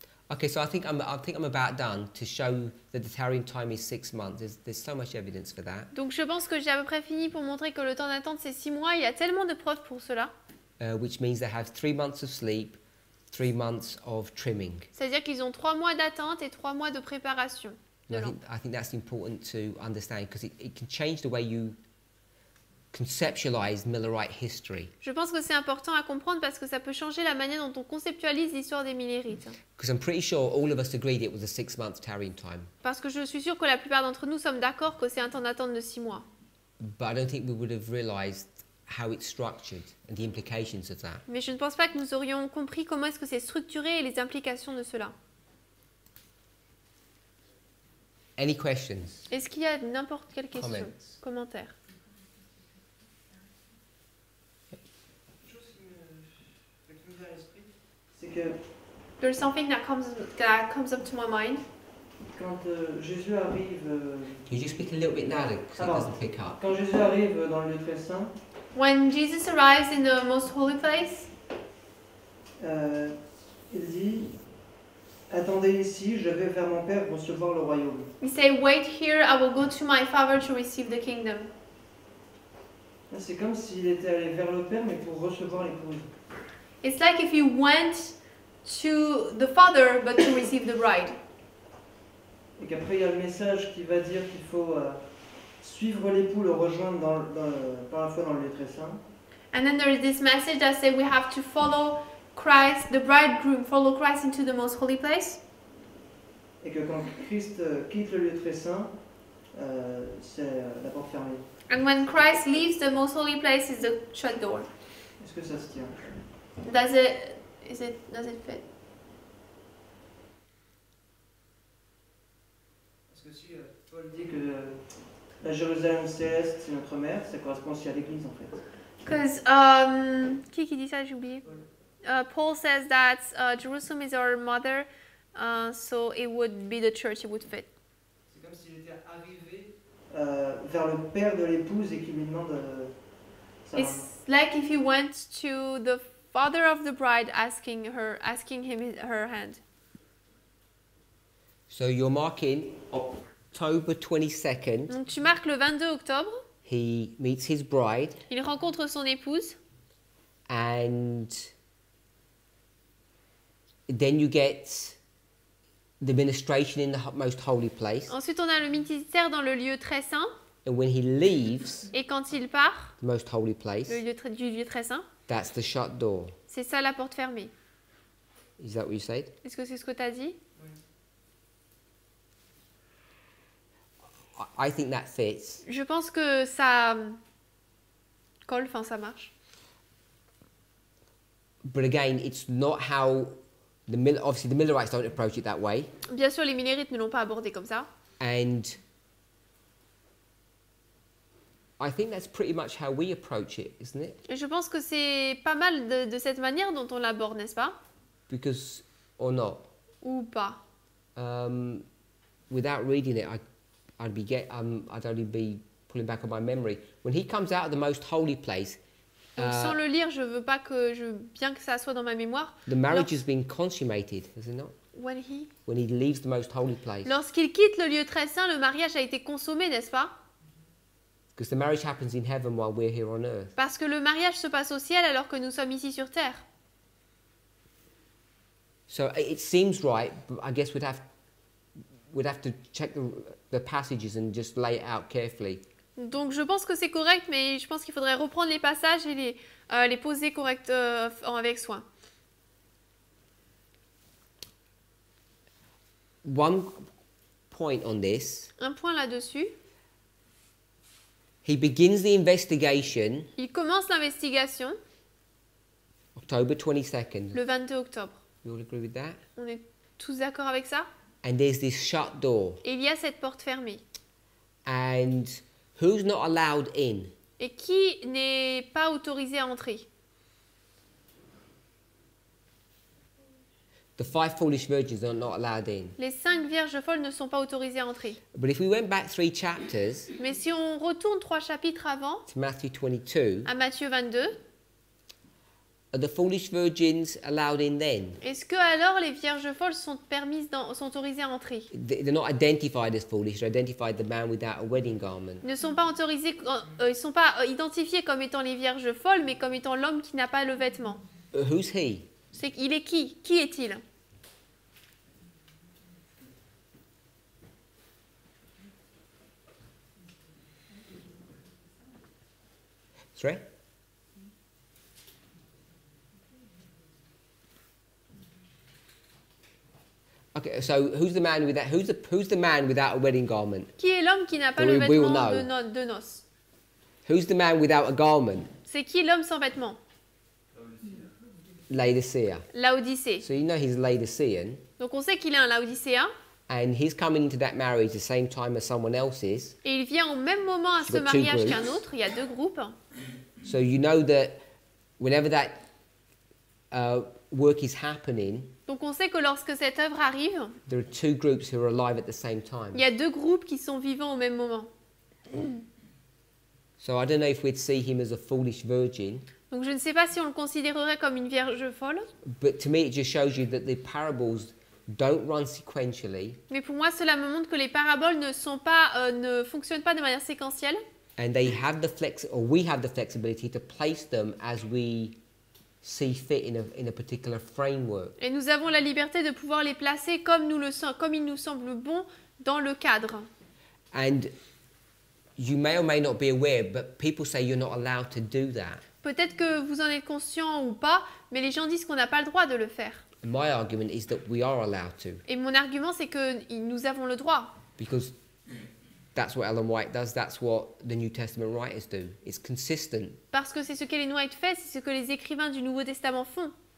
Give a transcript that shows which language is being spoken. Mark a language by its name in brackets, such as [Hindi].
[English] Okay, so I think I'm about done to show that the tarrying time is 6 months. There's so much evidence for that. [French] Donc je pense que j'ai à peu près fini pour montrer que le temps d'attente c'est 6 mois. Il y a tellement de preuves pour cela. [English] Which means they have 3 months of sleep. 3 months of trimming. [French] C'est-à-dire qu'ils ont 3 mois d'attente et 3 mois de préparation. [English] I think that's important to understand because it can change the way you conceptualize Millerite history. [French] Je pense que c'est important à comprendre parce que ça peut changer la manière dont on conceptualise l'histoire des Millerites. [English] Because I'm pretty sure all of us agreed it was a 6 month tarrying time. [French] Parce que je suis sûr que la plupart d'entre nous sommes d'accord que c'est un temps d'attente de 6 mois. [English] But I don't think we would have realized how it's structured and the implications of that. [French] Mais je ne pense pas que nous aurions compris comment est-ce que c'est structuré et les implications de cela. [English] Any questions? [French] Est-ce qu'il y a n'importe quelle question? [English] Comments. [French] Commentaires. [English] There's something that comes up to my mind. [French] Quand Jésus arrive. [English] Can you just speak a little bit louder, because it doesn't pick up. [French] Quand Jésus arrive dans le lieu très saint. [English] When Jesus arrives in the most holy place, [French] il dit, attendez ici, je vais vers mon père recevoir le royaume. [English] He say, wait here, I will go to my father to receive the kingdom. [French] C'est comme s'il était allé vers le père, mais pour recevoir l'épouse. [English] It's like if he went to the father, but to receive the bride. [French] Et qu'après il y a le message qui va dire qu'il faut suivre l'époux, le rejoindre par la foi dans le lieu très saint. [English] And then there is this message that says we have to follow Christ, the bridegroom, follow Christ into the most holy place. [French] Et que quand Christ quitte le lieu très saint, c'est la porte fermée. [English] And when Christ leaves the most holy place, it's the shut door. [French] Est-ce que ça se tient? [English] Does it fit? [French] Parce que si Paul dit que la Jérusalem céleste, c'est notre mère, ça correspond aussi à l'Église, en fait. [English] Because, [French] qui dit ça, j'ai oublié. [English] Paul says that Jerusalem is our mother, so it would be the church, it would fit. [French] C'est comme s'il était arrivé vers le père de l'épouse et qu'il lui demande de ça. [English] It's like if he went to the father of the bride asking him her hand. So you're marking October 22nd. [French] Donc tu marques le 22 octobre. [English] He meets his bride. [French] Il rencontre son épouse. [English] And then you get the ministration in the most holy place. [French] Ensuite on a le ministère dans le lieu très saint. [English] And when he leaves. [French] Et quand il part. [English] The most holy place. [French] Le lieu très saint. [English] That's the shut door. [French] C'est ça la porte fermée. [English] Is that what you said? [French] Est-ce que c'est ce que tu as dit? [English] I think that fits. [French] Je pense que ça colle, enfin ça marche. [English] But again, it's not how obviously the Millerites don't approach it that way. [French] Bien sûr, les Millerites ne l'ont pas abordé comme ça. [English] And I think that's pretty much how we approach it, isn't it? [French] Et je pense que c'est pas mal de cette manière dont on l'aborde, n'est-ce pas? [English] Because or not. [French] Ou pas. [English] Without reading it, I'd only be pulling back on my memory. When he comes out of the most holy place. [French] Donc, sans le lire, je veux pas que je bien que ça soit dans ma mémoire. [English] The marriage has been consummated, has it not? When he leaves the most holy place. [French] Lorsqu'il quitte le lieu très saint, le mariage a été consommé, n'est-ce pas? [English] Because the marriage happens in heaven while we're here on earth. [French] Parce que le mariage se passe au ciel alors que nous sommes ici sur terre. [English] So it seems right, but I guess we'd have to check the passages and just lay it out carefully. [French] Donc je pense que c'est correct, mais je pense qu'il faudrait reprendre les passages et les poser correctement avec soin. [English] One point on this. [French] Un point là-dessus. [English] He begins the investigation. [French] Il commence l'investigation. [English] October 22nd. [French] Le 22 octobre. [English] We all agree with that? [French] On est tous d'accord avec ça? [English] And there's this shut door. [French] Et il y a cette porte fermée. [English] And who's not allowed in? [French] Et qui n'est pas autorisé à entrer? [English] The five foolish virgins are not allowed in. [French] Les cinq vierges folles ne sont pas autorisées à entrer. [English] But if we went back three chapters, [French] mais si on retourne trois chapitres avant, [English] to Matthew 22, [French] à Matthieu 22, [English] are the foolish virgins allowed in then? [French] Est-ce que alors les vierges folles sont permises dans, sont autorisées à entrer? [English] They're not identified as foolish. They're identified the man without a wedding garment. [French] Ne sont pas autorisées, ils sont pas identifiés comme étant les vierges folles, mais comme étant l'homme qui n'a pas le vêtement. [English] Who's he? [French] C'est, il est qui? Qui est-il? [English] Three? Okay, so who's the man without who's the man without a wedding garment? [French] Qui est l'homme qui n'a pas le vêtement de noces? [English] Who's the man without a garment? [French] C'est qui l'homme sans vêtement? [English] Laodicea. [French] Laodicea. [English] So you know he's a Laodicean. [French] Donc on sait qu'il est un Laodicéen. [English] And he's coming into that marriage the same time as someone else is. [French] Et il vient au même moment à ce mariage qu'un autre. Il y a deux groupes. [English] So you know that whenever that work is happening. [French] Donc on sait que lorsque cette œuvre arrive. [English] There are two groups who are alive at the same time. [French] Il y a deux groupes qui sont vivants au même moment. [English] So I don't know if we'd see him as a foolish virgin. [French] Donc je ne sais pas si on le considérerait comme une vierge folle. [English] But to me it just shows you that the parables don't run sequentially. [French] Mais pour moi cela me montre que les paraboles ne sont pas ne fonctionnent pas de manière séquentielle. [English] And they have the flexibility to place them as we see fit in a particular framework. [French] Et nous avons la liberté de pouvoir les placer comme nous le sommes comme il nous semble bon dans le cadre. [English] And you may or may not be aware, but people say you're not allowed to do that. [French] Peut-être que vous en êtes conscient ou pas, mais les gens disent qu'on n'a pas le droit de le faire. [English] My argument is that we are allowed to. [French] Et mon argument, c'est que nous avons le droit. [English] Because that's what Ellen White does, that's what the New Testament writers do. It's consistent. [French] Parce que c'est ce qu'Ellen White fait, c'est ce que les écrivains du Nouveau Testament font.